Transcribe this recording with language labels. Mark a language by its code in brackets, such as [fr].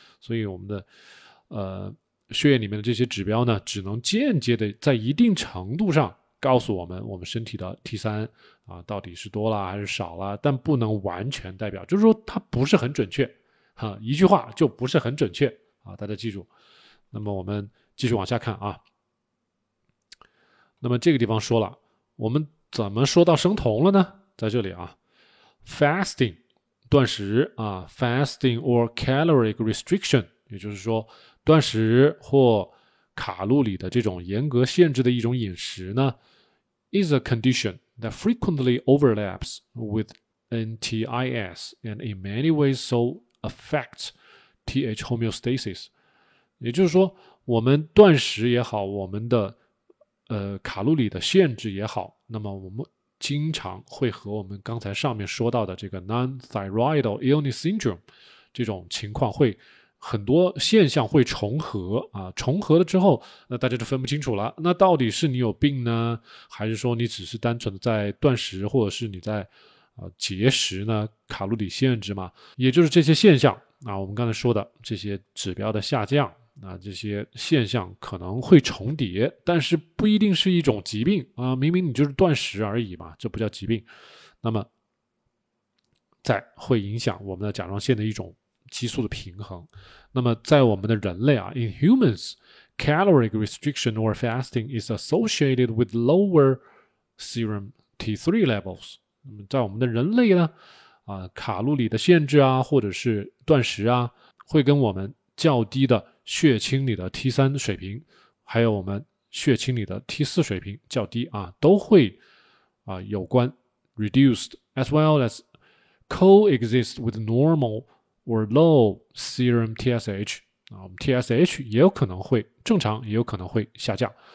[zh] 所以我们的血液里面的这些指标呢只能间接的在一定程度上告诉我们，我们身体的 T3 啊到底是多了还是少了，但不能完全代表，就是说它不是很准确，哈，一句话就不是很准确啊，大家记住。那么我们继续往下看啊。那么这个地方说了，我们怎么说到生酮了呢？在这里啊 [en] ，fasting [zh] 断食啊 [en] ，fasting or caloric restriction， [zh] 也就是说断食或卡路里的这种严格限制的一种饮食呢 [en] ，is a condition that frequently overlaps with NTIS and in many ways so affects TH homeostasis。 [zh] 也就是说，我们断食也好，我们的卡路里的限制也好，那么我们经常会和我们刚才上面说到的这个 [en] non-thyroidal illness syndrome [zh] 这种情况会。很多现象会重合啊，重合了之后那大家就分不清楚了，那到底是你有病呢，还是说你只是单纯的在断食，或者是你在节食呢，卡路里限制嘛，也就是这些现象啊，我们刚才说的这些指标的下降啊，这些现象可能会重叠，但是不一定是一种疾病啊，明明你就是断食而已嘛，这不叫疾病。那么在会影响我们的甲状腺的一种激素的平衡。那么在我们的人类啊 [en] ,in humans, caloric restriction or fasting is associated with lower serum T3 levels. [zh] 那么在我们的人类呢啊卡路里的限制啊或者是断食啊会跟我们较低的血清里的 T3 水平还有我们血清里的 T4 水平较低啊都会啊有关 [en] reduced as well as coexist with normal or low serum TSH、 [zh] 啊、TSH 也有可能会正常也有可能会下降。